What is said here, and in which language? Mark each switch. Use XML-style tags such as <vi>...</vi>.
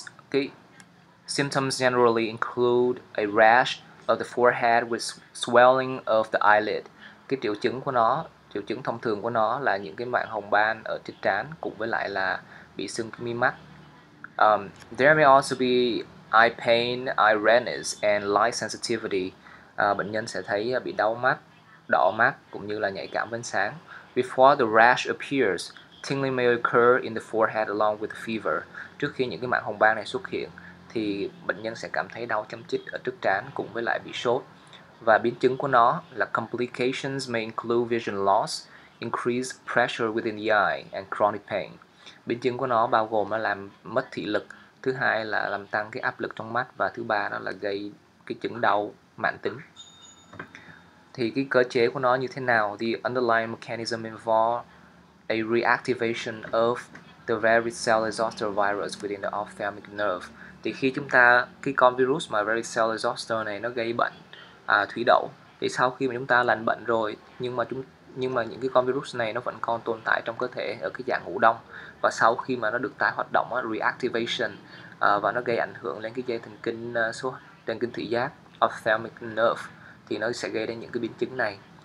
<en>Cái symptoms generally include a rash of the forehead with swelling of the eyelid.</en> <vi>Cái triệu chứng của nó, triệu chứng thông thường của nó là những cái mảng hồng ban ở trên trán cùng với lại là bị sưng mi mắt.</vi> <en>There may also be eye pain, eye redness and light sensitivity.</en> <vi>Bệnh nhân sẽ thấy bị đau mắt, đỏ mắt cũng như là nhạy cảm với ánh sáng.</vi> <en>Before the rash appears, tingling may occur in the forehead along with the fever.</en> <vi>Trước khi những cái mảng hồng ban này xuất hiện thì bệnh nhân sẽ cảm thấy đau châm chích ở trước trán cùng với lại bị sốt. Và biến chứng của nó là</vi> <en>complications may include vision loss, increased pressure within the eye and chronic pain.</en> <vi>Biến chứng của nó bao gồm là làm mất thị lực, thứ hai là làm tăng cái áp lực trong mắt và thứ ba đó là gây cái chứng đau mãn tính. Thì cái cơ chế của nó như thế nào?</vi> <en>The underlying mechanism involves a reactivation of the varicella zoster virus within the ophthalmic nerve.</en> <vi>Thì khi chúng ta, cái con virus mà varicella zoster này nó gây bệnh thủy đậu, thì sau khi mà chúng ta lành bệnh rồi, nhưng mà những cái con virus này nó vẫn còn tồn tại trong cơ thể ở cái dạng ngủ đông. Và sau khi mà nó được tái hoạt động, reactivation, và nó gây ảnh hưởng lên cái dây thần kinh thị giác, ophthalmic nerve, thì nó sẽ gây ra những cái biến chứng này.</vi>